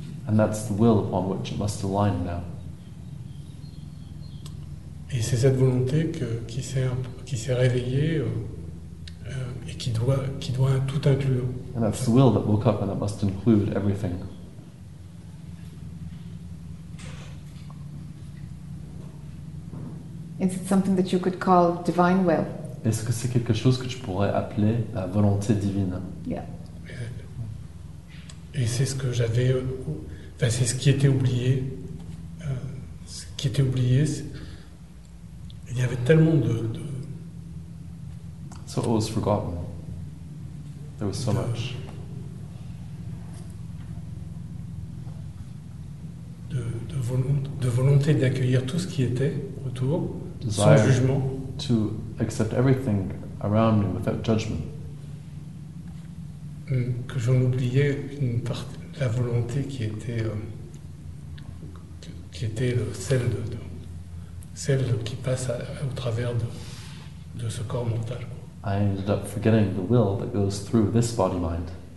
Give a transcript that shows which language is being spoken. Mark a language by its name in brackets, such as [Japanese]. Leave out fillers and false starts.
[English] And that's the will upon which it must align now. [French] Et c'est cette volonté qui s'est réveillée et qui doit tout inclure. [English] And that's the will that woke up and that must include everything. Is it something that you could call divine will? [French] Est-ce que c'est quelque chose que tu pourrais appeler la volonté divine? [English] Yeah. [French] Et c'est ce que j'avais. Enfin, c'est ce qui était oublié. Ce qui était oublié. Il y avait tellement de. [English] So it was forgotten. There was so much. [French] De volonté d'accueillir tout ce qui était autour. [English] Desire [French] sans jugement. [English] To accept everything around me without judgment. [French] Que j'en oubliais la volonté qui était celle qui passe au travers de ce corps mental. [English] I ended up forgetting the will that goes through this body mind.